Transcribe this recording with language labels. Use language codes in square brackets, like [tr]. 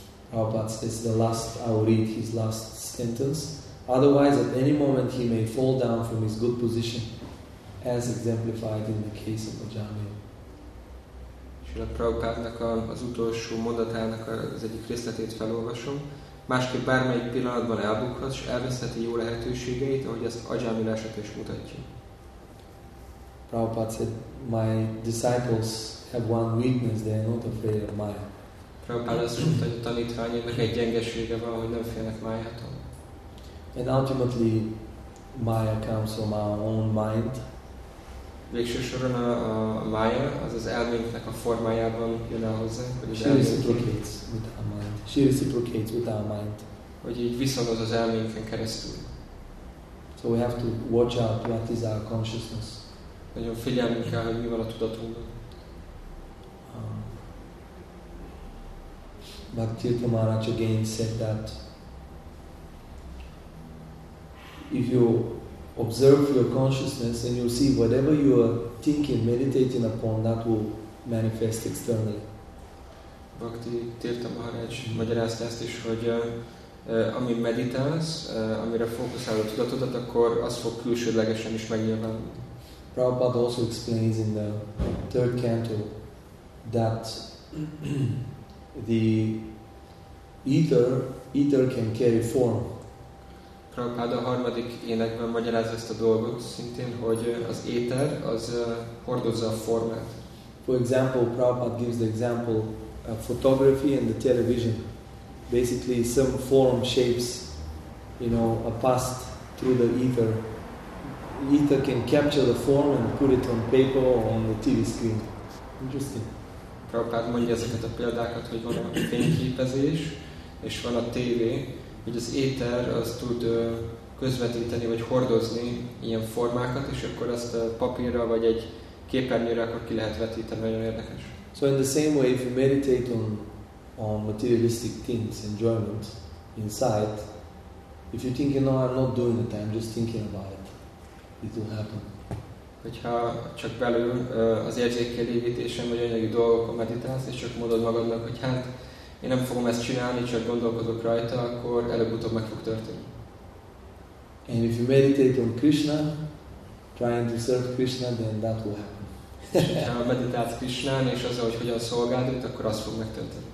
[en] Prabhupada says the last, I will read his last sentence. Otherwise, at any moment he may fall down from his good position, as exemplified in the case of Ajamil. [hu] Srila Prabhupádnak az utolsó mondatának az egyik részletét felolvasom. Másképp bármelyik pillanatban elbukhat, s elveszheti jó lehetőségeit, ahogy ezt Ajamil eset is mutatja. [en] Prabhupada said, my disciples have one weakness, they are not afraid of Maya. [hu] Prabhupada azt mondta, hogy a tanítványoknak egy gyengesége van, hogy nem félnek Mayától. [en] And ultimately, Maya comes from our own mind. [hu] Végső soron a Maya, azaz elménknek a formájában jön el hozzá. [en] She reciprocates with our mind. She reciprocates with our mind. [hu] Hogy így viszonoz az elménken keresztül. [en] So we have to watch out what is our consciousness. [hu] Nagyon figyelmünk kell, hogy mi van a tudatunkban. [en] Bhaktirtha Maharaj again said that if you observe your consciousness and you see whatever you are thinking, meditating upon, that will manifest externally. [hu] Bhaktirtha Maharaj magyarázta ezt is, hogy ami meditálsz, amire fókuszál a tudatodat, akkor az fog külsődlegesen is megnyilvánulni. [en] Prabhupada also explains in the third canto that the ether can carry form. [hu] Prabhupada a harmadik énekben magyaráz ezt a dolgot szintén, hogy az éter az hordozza a formát. [en] For example, Prabhupada gives the example of photography and the television. Basically, some form shapes, you know, a past through the ether. Ether can capture the form and put it on paper or on the TV screen. Interesting. [hu] Prabhupada mondja ezeket a példákat, hogy van a fényképezés, és van a tévé, hogy az éter az tud közvetíteni, vagy hordozni ilyen formákat, és akkor ezt papírra, vagy egy képernyőre akkor ki lehet vetíteni, nagyon érdekes. [en] So in the same way, if you meditate on materialistic things, enjoyment, insight, if you think, no, I'm not doing it, I'm just thinking about it, it will happen. [hu] Hogyha csak belül az érzékelégítésen vagy anyagi dolgokon meditálsz, és csak mondod magadnak, hogy hát én nem fogom ezt csinálni, csak gondolkozok rajta, akkor előbb-utóbb meg fog történni. [en] And if you meditate on Krishna, trying to serve Krishna, then that will happen. [hu] És ha meditálsz Krishnán, és azzal, hogy hogyan szolgáld őt, akkor az fog megtörténni.